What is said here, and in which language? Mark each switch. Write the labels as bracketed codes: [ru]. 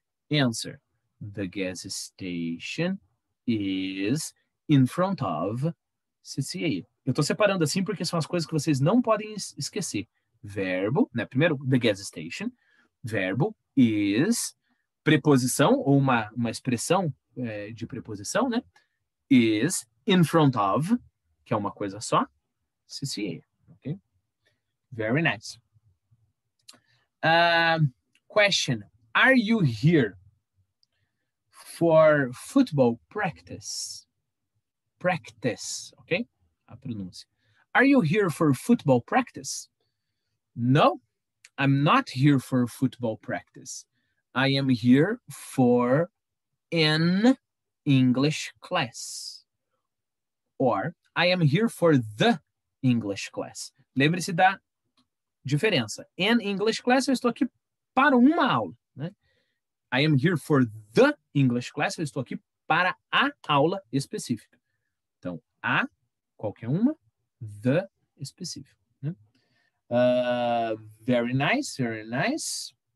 [en] Answer, the gas station is in front of CCA. [pt] Eu tô separando assim porque são as coisas que vocês não podem esquecer. Verbo, né? Primeiro, [en] the gas station. [pt] Verbo is, preposição ou uma expressão de preposição, né? [en] Is in front of, [pt] que é uma coisa só, CCA, ok? [en] Very nice. Question, are you here for football practice? Practice, ok? [pt] A pronúncia. [en] Are you here for football practice? No, I'm not here for football practice. I am here for an English class. Or, I am here for the English class. [pt] Lembre-se da diferença. [en] An English class, [pt] eu estou aqui para uma aula. Né? [en] I am here for the English class, [pt] eu estou aqui para a aula específica. Então, a, qualquer uma, the, específico. Né? [en] Very nice, very nice.